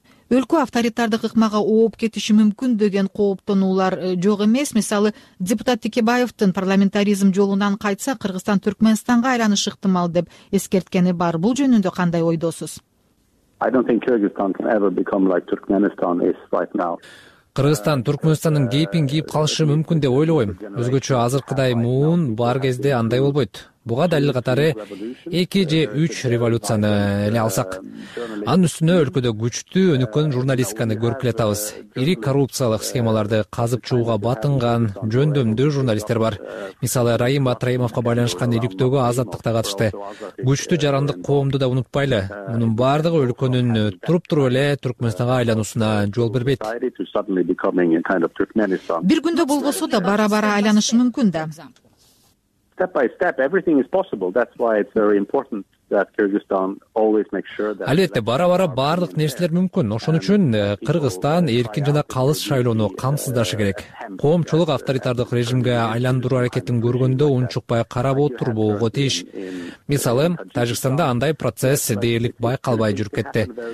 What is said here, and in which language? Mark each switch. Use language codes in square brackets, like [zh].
[ky] Өлкө авторитардык ыкмага ооп кетиши мүмкүн деген кооптонуулар жок эмес. Мисалы, депутат Текебаевдин парламентаризм жолунан кайтса, Кыргызстан Түркмөнстанга айланышы ыктымал деп эскерткени бар. Бул жөнүндө кандай ойдосуз? [en] I don't think Kyrgyzstan can ever become like Turkmenistan is right now. [ky] Кыргызстан Түркмөнстандын кейпин кийип калышы мүмкүн деп ойлобойм. Өзгөчө азыркыдай муун бар кезде андай болбойт. Буга далил катары 2 же 3 революцияны эле алсак. Анын үстүнө өлкөдө күчтүү өнүккөн журналистиканы көрүпкелетабыз. Ири коррупциялык схемаларды казып чыгууга батынган жөндөмдүү журналисттер бар. Мисалы, Раим Атраимовго байланышкан иликтөөгө Азаттык да катышты. Күчтүү жарандык коомду да унутпайлы. Мунун баардыгы өлкөнүн туруп-туруп эле Түркмөнстанга айлануусуна жол бербейт. Бир күндө болбосо да бара-бара айланышы мүмкүн да. [en] Step by step, everything is possible. That's why it's very important that Kyrgyzstan always make sure that... [ky] Албетте, бара-бара бардык нерселер мүмкүн. Ошон үчүн Кыргызстан эркин жана калыс шайлоону камсыздашы керек. Коомчулук авторитардык режимге айландыруу аракетин көргөндө унчукпай карап отурбоого тийиш. Мисалы, Тажикстанда андай процесс дээрлик байкалбай жүрүп кетти.